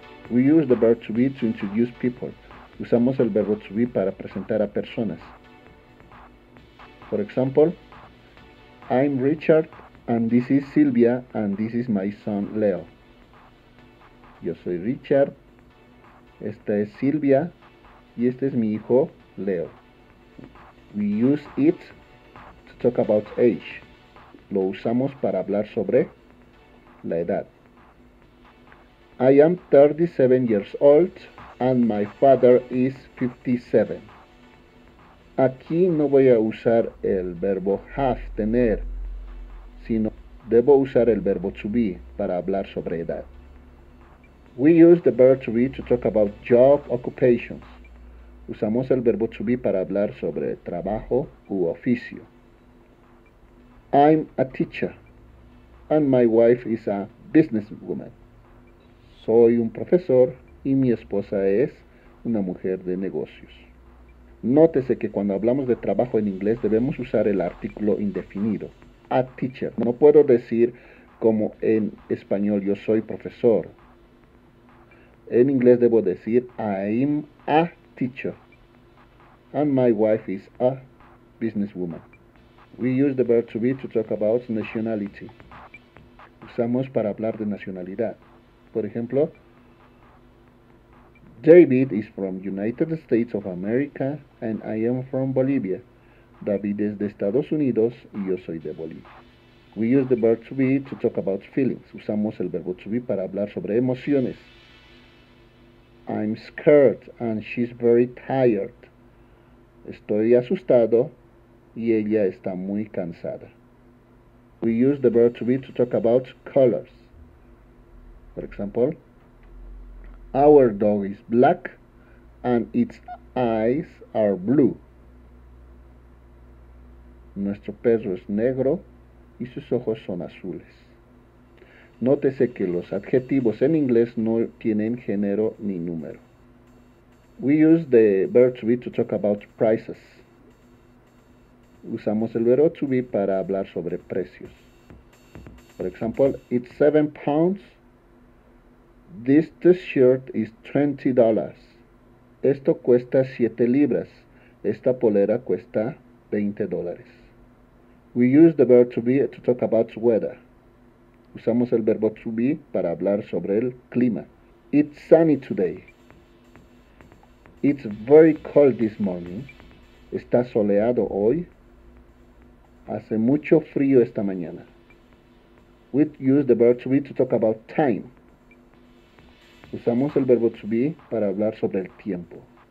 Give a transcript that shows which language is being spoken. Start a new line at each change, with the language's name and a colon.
English: We use the verb to be to introduce people.
Spanish: Usamos el verbo to be para presentar a personas.
English: For example, I'm Richard, and this is Silvia, and this is my son Leo.
Spanish: Yo soy Richard, esta es Silvia, y este es mi hijo Leo.
English: We use it to talk about age.
Spanish: Lo usamos para hablar sobre la edad.
English: I am 37 years old, and my father is 57.
Spanish: Aquí no voy a usar el verbo have, tener, sino debo usar el verbo to be para hablar sobre edad.
English: We use the verb to be to talk about job occupations.
Spanish: Usamos el verbo to be para hablar sobre trabajo u oficio.
English: I'm a teacher and my wife is a businesswoman.
Spanish: Soy un profesor y mi esposa es una mujer de negocios. Nótese que cuando hablamos de trabajo en inglés debemos usar el artículo indefinido.
English: A teacher.
Spanish: No puedo decir como en español yo soy profesor. En inglés debo decir
English: I'm a teacher. And my wife is a businesswoman. We use the verb to be to talk about nationality.
Spanish: Usamos para hablar de nacionalidad. Por ejemplo,
English: David is from United States of America and I am from Bolivia.
Spanish: David es de Estados Unidos y yo soy de Bolivia.
English: We use the verb to be to talk about feelings.
Spanish: Usamos el verbo to be para hablar sobre emociones.
English: I'm scared and she's very tired.
Spanish: Estoy asustado y ella está muy cansada.
English: We use the verb to be to talk about colors. For example, our dog is black and its eyes are blue.
Spanish: Nuestro perro es negro y sus ojos son azules. Nótese que los adjetivos en inglés no tienen género ni número.
English: We use the verb to be to talk about prices.
Spanish: Usamos el verbo to be para hablar sobre precios.
English: For example, it's 7 pounds. This t-shirt is $20.
Spanish: Esto cuesta 7 libras. Esta polera cuesta $20.
English: We use the verb to be to talk about weather.
Spanish: Usamos el verbo to be para hablar sobre el clima.
English: It's sunny today. It's very cold this morning.
Spanish: Está soleado hoy. Hace mucho frío esta mañana.
English: We use the verb to be to talk about time.
Spanish: Usamos el verbo to be para hablar sobre el tiempo.